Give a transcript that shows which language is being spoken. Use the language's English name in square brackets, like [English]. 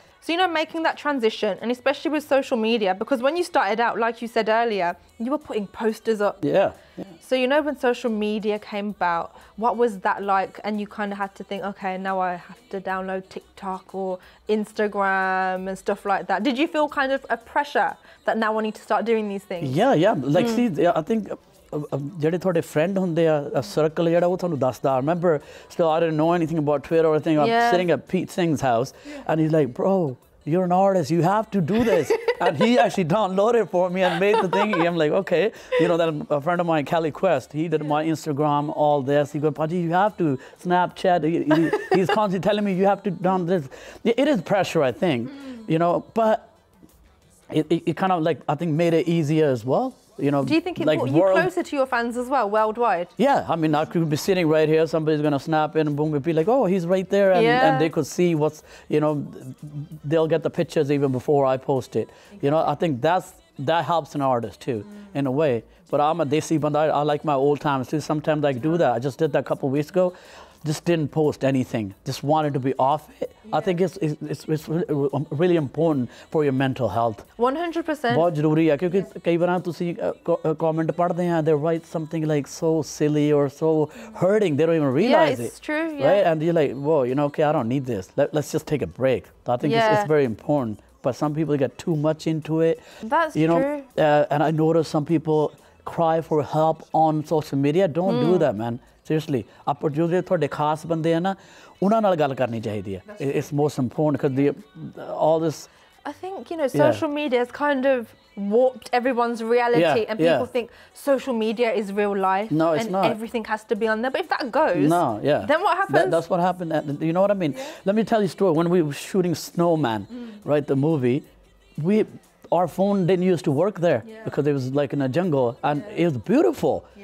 [English] So, you know, making that transition, and especially with social media, because when you started out, like you said earlier, you were putting posters up. Yeah. So, you know, when social media came about, what was that like? And you kind of had to think, okay, now I have to download TikTok or Instagram and stuff like that. Did you feel kind of a pressure that now I need to start doing these things? Yeah. Like, I think [Punjabi] ਜਿਹੜੇ ਤੁਹਾਡੇ friend ਹੁੰਦੇ ਆ ਅ circle ਜਿਹੜਾ ਉਹ ਤੁਹਾਨੂੰ ਦੱਸਦਾ [English] Remember still I didn't know anything about Twitter or thing um sitting at Pete Singh's house and he like bro you are an artist you have to do this and he actually downloaded for me and made the thing um like okay you know that a friend of my Kelly Quest he did my Instagram all this he go ਪਾਜੀ you have to Snapchat he is constantly telling me you have to down this it is pressure I think you know but it kind of like I think made it easier as well. You know, do you think it like brought you closer to your fans as well, worldwide? Yeah, I mean, I could be sitting right here, somebody's going to snap in and boom, we'd be like, oh, he's right there. And they could see what's, you know, they'll get the pictures even before I post it. Exactly. You know, I think that helps an artist too, in a way. But I'm a desi banda, I like my old times too. Sometimes I do that. I just did that a couple of weeks ago. Just didn't post anything. Just wanted to be off it. Yeah. I think it's really important for your mental health. 100%. [Punjabi] ਬਹੁਤ ਜ਼ਰੂਰੀ ਹੈ ਕਿਉਂਕਿ ਕਈ ਵਾਰ ਤੁਸੀਂ comment ਪੜ੍ਹਦੇ ਆ [English] they write something like so silly or so hurting they don't even realise it it's true right and you like ਵੋ you know ਕਿ I don't need this let's just take a break so I think it's very important but some people get too much into it that's true and I notice some people cry for help on social media don't do that man seriously [Punjabi] ਆਪਾਂ ਜੋ ਜਿਹੜੇ ਤੁਹਾਡੇ ਖਾਸ ਬੰਦੇ ਆ ਨਾ ਉਹਨਾਂ ਨਾਲ ਗੱਲ ਕਰਨੀ ਚਾਹੀਦੀ ਹੈ [English] It's most important because the all this I think, you know, social media has kind of warped everyone's reality and people think social media is real life. No, it's and not. And everything has to be on there. But if that goes, no, then what happens? That's what happened. You know what I mean? Let me tell you a story. When we were shooting Snowman, right, the movie, our phone didn't used to work there because it was like in a jungle and it was beautiful.